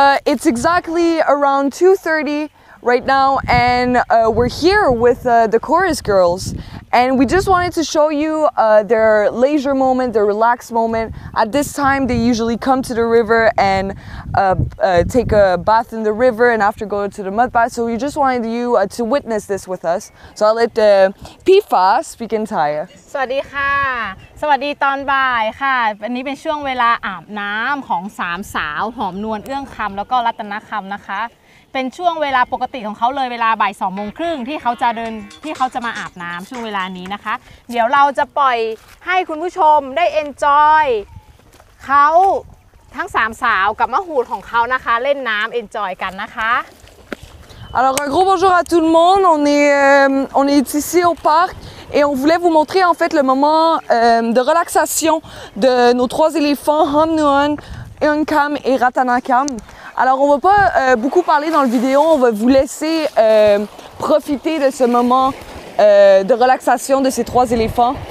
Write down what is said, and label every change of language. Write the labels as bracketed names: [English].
[English] It's exactly around 2:30 right now, and we're here with the chorus girls, and we just wanted to show you their leisure moment, their relaxed moment. At this time, they usually come to the river and take a bath in the river, and after go to the mud bath. So we just wanted you to witness this with us. So I'll let Pifa speak in Thai. [Thai] สวัสดีค่ะ สวัสดีตอนบ่ายค่ะ อันนี้เป็นช่วงเวลาอาบน้ำของ 3 สาวหอมนวลเอื้องคำแล้วก็รัตนคำนะคะ เป็นช่วงเวลาปกติของเขาเลยเวลาบ่าย 2:30 ที่เขาจะมาอาบน้ำช่วงเวลานี้นะคะ เดี๋ยวเราจะปล่อยให้คุณผู้ชมได้ enjoy เขาทั้ง 3 สาวกับมหูดของเขานะคะ เล่นน้ำ enjoy กันนะคะ [French] Alors un gros bonjour à tout le monde, on est ici au parc et on voulait vous montrer en fait le moment de relaxation de nos trois éléphants Hum Nuon, Eunkam et Ratanakam. Alors on va pas beaucoup parler dans la vidéo, on va vous laisser profiter de ce moment de relaxation de ces trois éléphants.